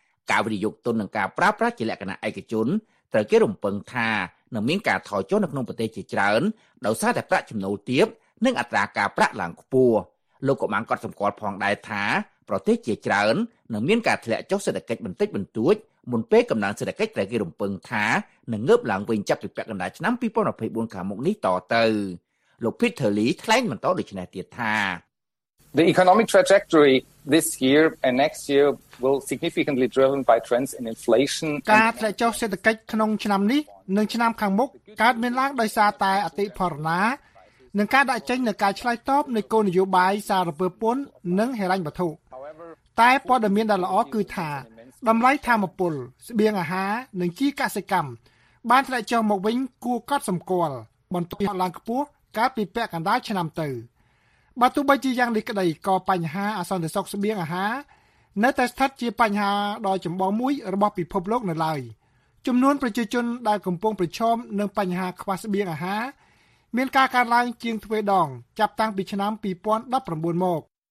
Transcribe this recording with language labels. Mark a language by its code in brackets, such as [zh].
[km] ការវិនិយោគទុននិងការប្រើប្រាស់ជាលក្ខណៈឯកជនត្រូវគេរំពឹងថានឹងមានការថយចុះនៅក្នុងប្រទេសជាច្រើនដោយសារតែប្រាក់ចំណូលទាបនិងអត្រាការប្រាក់ឡើងខ្ពស់លោកក៏បានកត់សម្គាល់ផងដែរថាប្រទេសជាច្រើននឹងមានការធ្លាក់ចុះសេដ្ឋកិច្ចបន្តិចបន្តួចមុនពេលកំណើនសេដ្ឋកិច្ចត្រូវគេរំពឹងថានឹងងើបឡើងវិញចាប់ពីពាក់កណ្ដាលឆ្នាំ2024ខាងមុខនេះតទៅលោក Peter Lee ថ្លែងបន្តដូចនេះទៀតថា [en] The economic trajectory this year and next year will significantly driven by trends in inflation [km] ការធ្លាក់ចុះសេដ្ឋកិច្ចក្នុងឆ្នាំនេះនិងឆ្នាំខាងមុខកើតមានឡើងដោយសារតែអតិផរណានឹងការដាក់ចេញនៃការឆ្លើយតបនៃគោលនយោបាយសារពើពន្ធនិងហិរញ្ញវត្ថុ តែព័ត៌មានដែលល្អគឺថាតម្លៃធម្មពលស្បៀងអាហារនិងជីកសិកម្មបានធ្លាក់ចុះមកវិញគួរកត់សម្គាល់បន្ទាប់ពីឡើងខ្ពស់កាលពីពាក់កណ្ដាលឆ្នាំទៅបើទោះបីជាយ៉ាងនេះក្តីក៏បញ្ហាអសន្តិសុខស្បៀងអាហារនៅតែស្ថិតជាបញ្ហាដ៏ចម្បងមួយរបស់ពិភពលោកនៅឡើយចំនួនប្រជាជនដែលកំពុងប្រឈមនឹងបញ្ហាខ្វះស្បៀងអាហារមានការកើនឡើងជាងទ្វេដងចាប់តាំងពីឆ្នាំ2019មករ